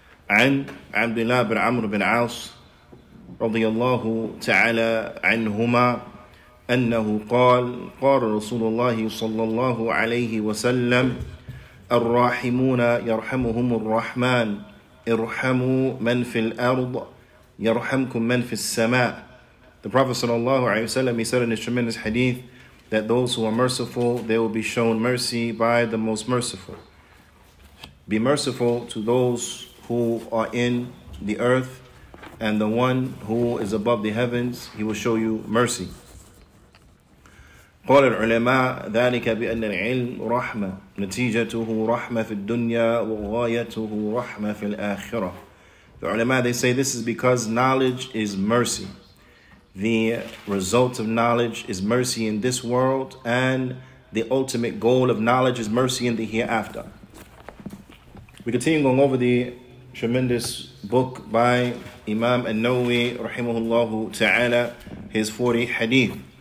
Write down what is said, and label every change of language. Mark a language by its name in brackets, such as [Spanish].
[Arabic] عن عبد الله بن عمرو بن عاص رضي الله تعالى عنهما أنه قال قال رسول الله صلى الله عليه وسلم الراحمون يرحمهم الرحمن ارحموا من في الأرض يَرْحَمْكُمْ مَنْ فِي السَّمَاءِ. [English] The Prophet sallallahu alayhi wa sallam, he said in his tremendous hadith that those who are merciful, they will be shown mercy by the most merciful. Be merciful to those who are in the earth, and the one who is above the heavens, he will show you mercy. [Arabic] قال العلماء ذلك بأن العلم رحمة نتيجته رحمة في الدنيا وغايته رحمة في الآخرة. [English] The ulama, they say this is because knowledge is mercy. The result of knowledge is mercy in this world, and the ultimate goal of knowledge is mercy in the hereafter. We continue going over the tremendous book by Imam An-Nawawi, rahimahullahu ta'ala, his 40 hadith.